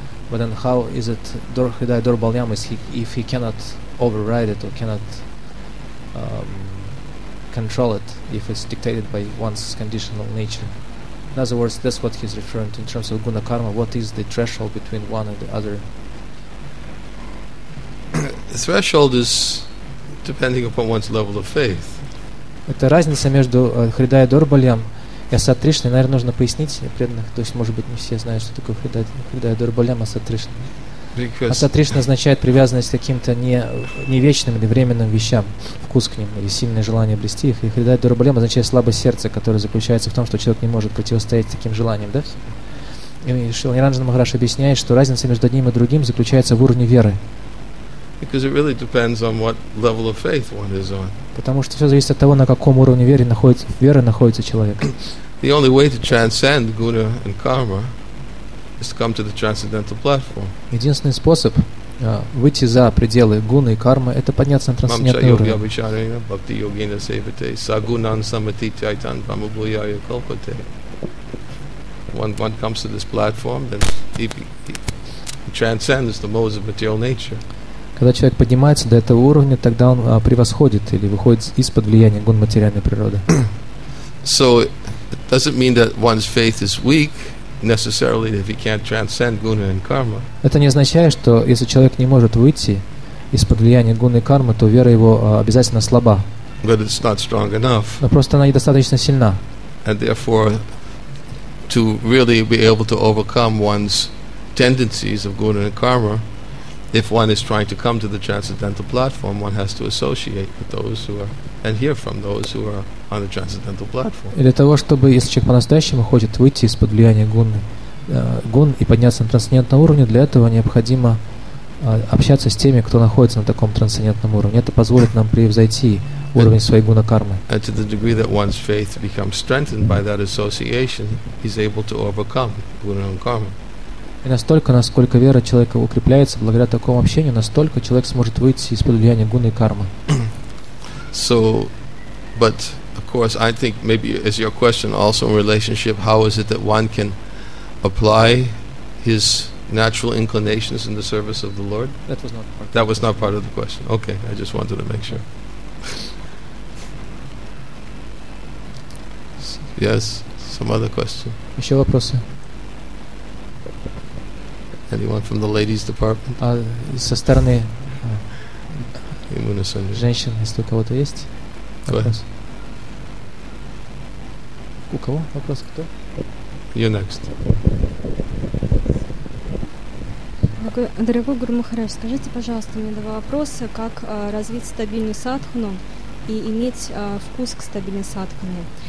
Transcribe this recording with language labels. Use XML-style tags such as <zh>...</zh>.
<en>But then how is it dorhidai dorbalyam, if he cannot override it or cannot control it, if it's dictated by one's conditional nature? In other words, that's what he's referring to in terms of guna karma. What is the threshold between one and the other? The threshold is depending upon one's level of faith.</en> <ru>Это разница между хридая дурбальям и асатришной. Наверное, нужно пояснить преданных. То есть, может быть, не все знают, что такое хридая дурбальям и асатришна. Асатришна означает привязанность к каким-то не вечным или временным вещам, вкус к ним или сильное желание обрести их. И хридая дурбальям означает слабое сердце, которое заключается в том, что человек не может противостоять таким желаниям. Да? И Шрила Ниранджана Махарадж объясняет, что разница между одним и другим заключается в уровне веры.</ru> <en>Because it really depends on what level of faith one is on.</en> <ru>Потому что все зависит от того, на каком уровне веры находится человек.</ru> <en>The only way to transcend guna and karma is to come to the transcendental platform.</en> <ru>Единственный способ выйти за пределы гуны и кармы — это подняться на трансцендентный уровень.</ru> <sa>Мамча йоги авичарина бхакти йогина севите сагунан самати чайтан брамабуяя калпате.</sa> <en>One comes to this platform, then he transcends the modes of material nature.</en> <ru>Когда человек поднимается до этого уровня, тогда он превосходит или выходит из-под влияния гун материальной природы.</ru> <en>So it doesn't mean that one's faith is weak necessarily if he can't transcend guna and karma.</en> <ru>Это не означает, что если человек не может выйти из-под влияния гуны и кармы, то вера его обязательно слаба.</ru> <en>But it's not strong enough.</en> <ru>Но просто она недостаточно сильна.</ru> <en>And therefore, to really be able to overcome one's tendencies of guna and karma, if one is trying to come to the transcendental platform, one has to associate with those who are and hear from those who are on the transcendental platform.</en> <ru>Для того, чтобы если человек по-настоящему хочет выйти из-под влияния гун и подняться на трансцендентный уровень, для этого необходимо общаться с теми, кто находится на таком трансцендентном уровне. Это позволит нам превзойти уровень своей гуна кармы.</ru> <en>And to the degree that one's faith becomes strengthened by that association, he's able to overcome guna and karma.</en> <ru>И настолько, насколько вера человека укрепляется благодаря такому общению, настолько человек сможет выйти из-под влияния гуны и кармы.</ru> <en>So, but of course, I think maybe as your question also in relationship, how is it that one can apply his natural inclinations in the service of the Lord? That was not part of the question. Okay, I just wanted to make sure. Yes, some other question.</en> <ru>Еще вопросы?</ru> <en>Anyone from the ladies' department?</en> <ru>Со стороны женщин, если у кого-то есть вопрос. У кого вопрос? Кто?</ru> <en>You next.</en> <ru>Дорогой Гуру Махарадж, скажите, пожалуйста, мне два вопроса. Как развить стабильную садхану и иметь вкус к стабильной садхане?</ru>